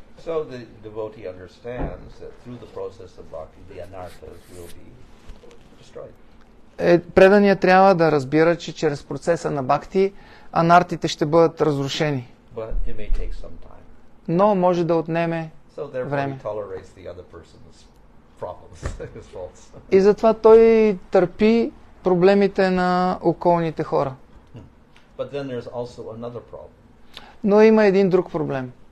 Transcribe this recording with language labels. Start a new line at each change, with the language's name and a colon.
English: So the devotee understands that through the process of bhakti the anarthas will be destroyed.
Bulgarian: Предания трябва да разбира, че чрез процеса на бхакти анартите ще бъдат разрушени.
English: But it may take some time.
Bulgarian: Но може да отнеме време.
English: So therefore he tolerates the other person's problems, his faults.
Bulgarian: И затова той търпи проблемите на околните хора.
English: But then there's also another problem.
Bulgarian: Но има един друг проблем.